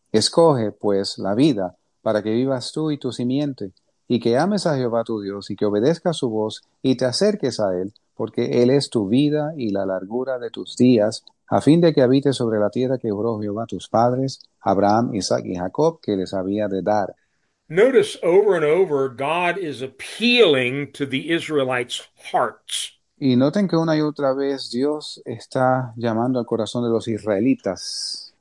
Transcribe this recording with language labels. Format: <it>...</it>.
<es>Escoge, pues, la vida, para que vivas tú y tu simiente, y que ames a Jehová tu Dios, y que obedezcas su voz, y te acerques a él, porque él es tu vida y la largura de tus días, a fin de que habites sobre la tierra que juró Jehová a tus padres, Abraham, Isaac y Jacob, que les había de dar.</es> <en>Notice over and over, God is appealing to the Israelites' hearts.</en> <es>Y noten que una y otra vez Dios está llamando al corazón de los israelitas.</es>